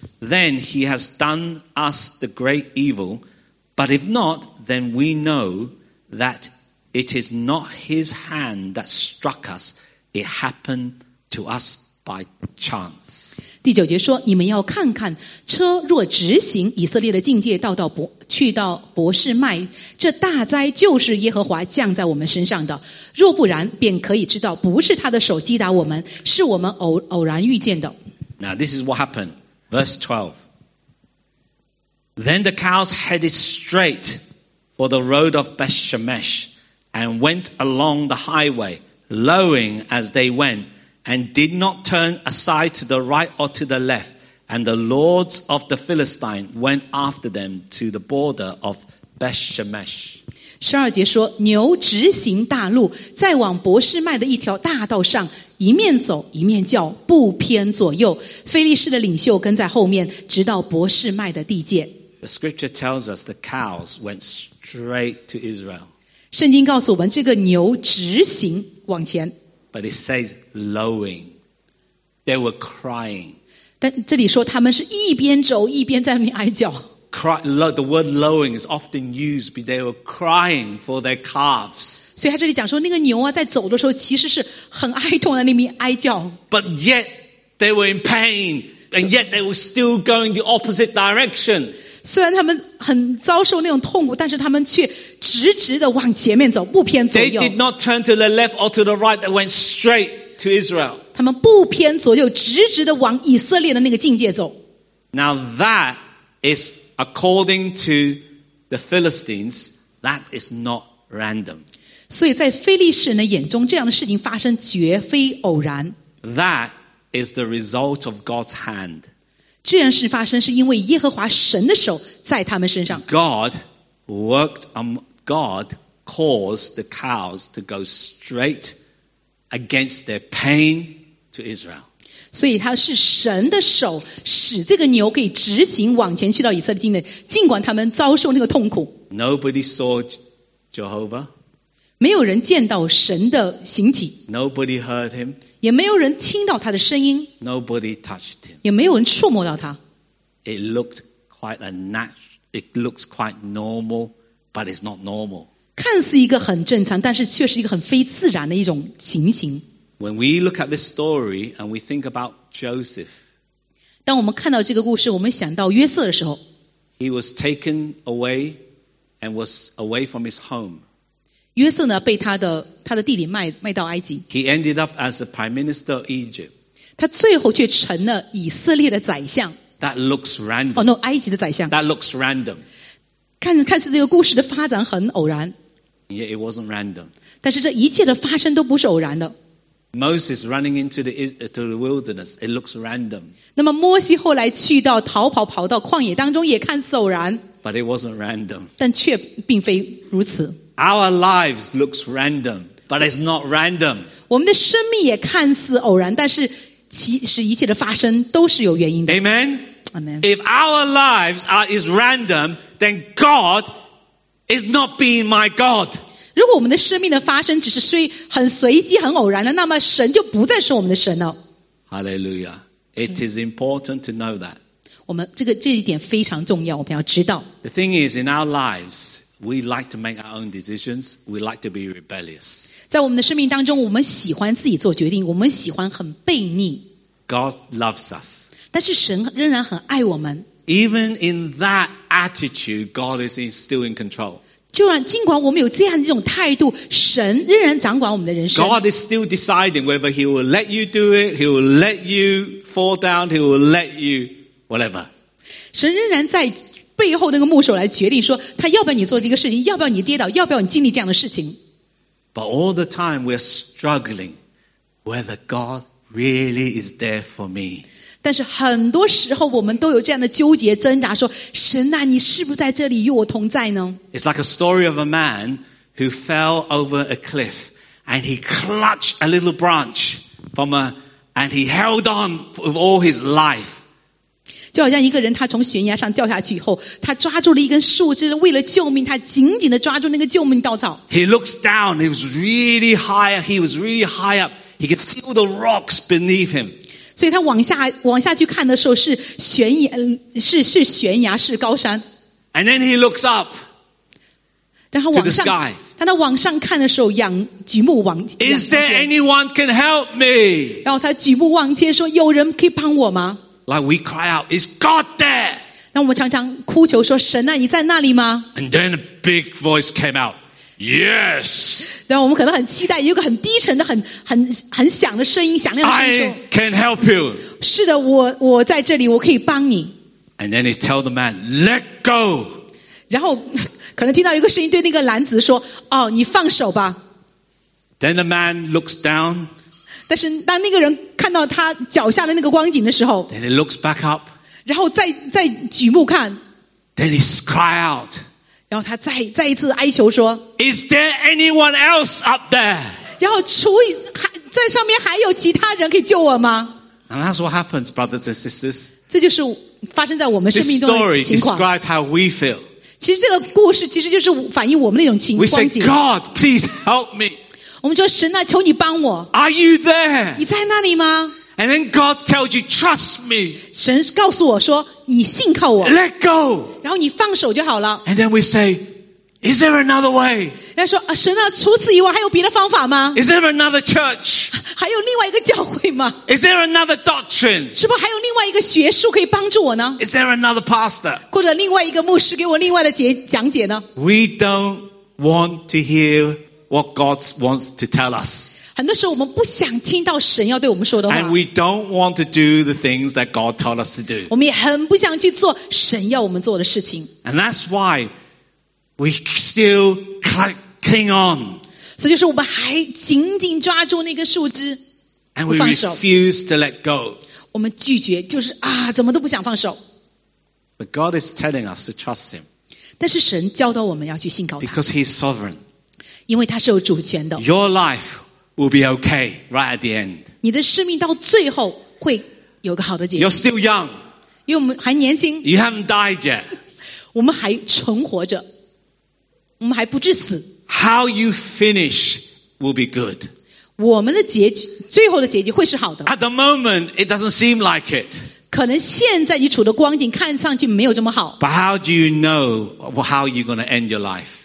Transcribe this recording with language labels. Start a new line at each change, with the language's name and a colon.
English: Then he has done us the great evil. But if not, then we know that it is not his hand that struck us. It happened to us by chance.
Chinese: 第九节说，你们要看看，车若直行以色列的境界，去到博士麦，这大灾就是耶和华降在我们身上的，若不然便可以知道不是他的手击打我们，是我们 偶然遇见的。
English: Now this is what happened. Verse 12, then the cows headed straight for the road of Beth-Shemesh and went along the highway lowing as they wentAnd did not turn aside to the right or to the left. And the lords of the Philistine went after them to the border of Beth-Shemesh.
Chinese: 十二节说，牛直行大路，再往博士麦的一条大道上，一面走一面叫，不偏左右。腓利士的领袖跟在后面，直到博士麦的地界。
English: The scripture tells us the cows went straight to Israel.
Chinese: 圣经告诉我们，这个牛直行往前。
English: But it says lowing. They were crying.
Chinese: 但这里说他们是一边走一边在那边哀叫。
English: The word lowing is often used, but they were crying for their calves.
Chinese: 所以他这里讲说那个牛啊在走的时候其实是很哀痛的那边哀叫。
English: But yet they were in pain, and yet they were still going the opposite direction.
Chinese: 虽然他们很遭受那种痛苦，但是他们却直直的往前面走，不偏左右。
English: They did not turn to the left or to the right. They went straight to Israel.
Chinese: 他们不偏左右，直直的往以色列的那个境界走。
English: Now that is according to the Philistines. That is not random.
Chinese: 所以在腓利士人的眼中，这样的事情发生绝非偶然。
English: That is the result of God's hand.
Chinese: 这件事发生是因为耶和华神的手在他们身上。
English: God caused the cows to go straight against their pain to Israel.
Chinese: 所以他是神的手使这个牛可以直行往前去到以色列境内，尽管他们遭受那个痛苦。
English: Nobody saw Jehovah.
Chinese: 没有人见到神的形体。
English: Nobody heard him.
Chinese: 也没有人听到他的声音。
English: Nobody touched him.
Chinese: 也没有人触摸到他。
English: It looks quite normal, but it's not normal.
Chinese: 看似一个很正常，但是却是一个很非自然的一种情形。
English: When we look at this story and we think about Joseph,
Chinese: 当我们看到这个故事，我们想到约瑟的时候
English: ，He was taken away and was away from his home.
Chinese: 约瑟呢被他的弟弟卖到埃及。
English: He ended up as the prime minister of Egypt.
Chinese: 他最后却成了以色列的宰相。
English: That looks random. Oh no,
Chinese: 埃及的宰相。
English: That looks random.
Chinese: 看似这个故事的发展很偶然。
English: Yeah, it wasn't random.
Chinese: 但是这一切的发生都不是偶然的。
English: Moses running into the wilderness, it looks random.
Chinese: 那么摩西后来去到逃跑跑到旷野当中也看似偶然。
English: But it wasn't random.
Chinese: 但却并非如此。
English: Our lives looks random, but it's not random.
Chinese: 我们的生命也看似偶然，但是其实一切的发生都是有原因的。
English: Amen. Amen. If our lives is random, then God is not being my God.
Chinese: 如果我们的生命的发生只是很随机、很偶然的，那么神就不再是我们的神了。
English: Hallelujah. It is important to know that.
Chinese: 我们这一点非常重要，我们要知道。
English: The thing is, in our lives. We like to make our own decisions. We like to be rebellious.
Chinese: 在我们的生命当中，我们喜欢自己做决定，我们喜欢很悖逆。
English: God loves us.
Chinese: 但是神仍然很爱我们。
English: Even in that attitude, God is still in control.
Chinese: 尽管我们有这样一种态度，神仍然掌管我们的人生。
English: God is still deciding whether He will let you do it, He will let you fall down, He will let you whatever.
Chinese: 神仍然在背后那个牧手来决定说，他要不要你做这个事情，要不要你跌倒，要不要你经历这样的事情。
English: But all the time we're struggling whether God really is there for me.
Chinese: 但是很多时候我们都有这样的纠结挣扎，说神啊，你是不是在这里与我同在呢？
English: It's like a story of a man who fell over a cliff and he clutched a little branch from a, and he held on with all his life.
Chinese: 就好像一个人他从悬崖上掉下去以后，他抓住了一根树枝，为了救命，他紧紧地抓住那个救命稻草。
English: He looks down, he was really high up. He could feel the rocks beneath him.
Chinese: 所以他往下去看的时候是悬崖 是悬崖是高山。
English: And then he looks up.
Chinese: 但他往上
English: to the sky.
Chinese: 但他往上看的时候举目望天。
English: Is there anyone can help me?
Chinese: 然后他举目望天说有人可以帮我吗？
English: Like we cry out, is God there?
Chinese: 那我们常常哭求说神啊你在那里吗？
English: And then a big voice came out. Yes.
Chinese: 然后我们可能很期待，有个很低沉的、很响的声音，响亮的声音说
English: ：“I can help you。”
Chinese: 是的，我在这里，我可以帮你。
English: And then he tell the man, "Let go."
Chinese: 然后可能听到一个声音对那个男子说：“哦，你放手吧。
English: ”Then the man looks down.
Chinese: 但是当那个人看到他脚下的那个光景的时候
English: ，Then he looks back up.
Chinese: 然后再举目看
English: ，Then he cry out.
Chinese: 然后他再一次哀求说
English: Is there anyone else up there?
Chinese: 然后在上面还有其他人可以救我吗？
English: And that's what happens, brothers and sisters.
Chinese: 这就是发生在我们生命中的情况。
English: This story describes how we feel.
Chinese: 其实这个故事其实就是反映我们那种情况。
English: We say, God, please help me.
Chinese: 我们说神啊，求你帮我。
English: Are you there?
Chinese: 你在那里吗？
English: And then God tells you, trust me.
Chinese: 神告诉我说你信靠我。
English: Let go.
Chinese: 然后你放手就好了。
English: And then we say, is there another way?
Chinese: 他说神啊，除此以外还有别的方法吗？
English: Is there another church?
Chinese: 还有另外一个教会吗？
English: Is there another doctrine?
Chinese: 是不是还有另外一个学术可以帮助我呢？
English: Is there another pastor?
Chinese: 或者另外一个牧师给我另外的讲解呢？
English: We don't want to hear what God wants to tell us.
Chinese: 很多时候我们不想听到神要对我们说的话。
English: And we don't want to do the things that God told us to do.
Chinese: 我们也很不想去做神要我们做的事情。
English: And that's why we still cling on.
Chinese: 所以就是我们还紧紧抓住那个树枝。
English: And we refuse to let go.
Chinese: 我们拒绝就是啊怎么都不想放手。
English: But God is telling us to trust Him.
Chinese: 但是神教导我们要去信靠他。
English: Because He's sovereign.
Chinese: 因为他是有主权的。
English: Your life,will be okay right at the end.
Chinese: 你的生命到最后会有个好的结局。
English: You're still young.
Chinese: 因为我们还年轻。
English: You haven't died yet.
Chinese: 我们还存活着。我们还不至死。
English: How you finish will be good.
Chinese: 我们的结局，最后的结局会是好的。
English: At the moment, it doesn't seem like it.
Chinese: 可能现在你处的光景看上去没有这么好。
English: But how do you know how you're going to end your life?